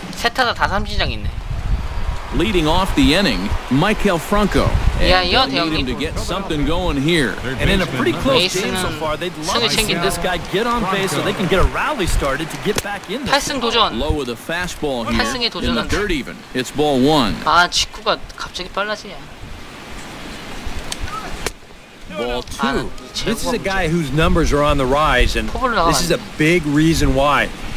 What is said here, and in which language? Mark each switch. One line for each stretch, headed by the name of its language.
Korean: 세타자 다 삼진장 있네.
English: Leading off the inning, Michael Franco. And yeah, you need him to get something going here. And in a pretty close game so far, they'd love to see this guy get on base so they can get a rally started to get back in there.
Korean: 8승 도전.
English: Low with a fastball here.
Korean: 8승에 도전한다.
English: In the dirt even. It's ball one.
Korean: 아, 직구가 갑자기 빨라지네.
English: Ball two. 아, this is a guy whose numbers are on the rise, and this is a big reason why.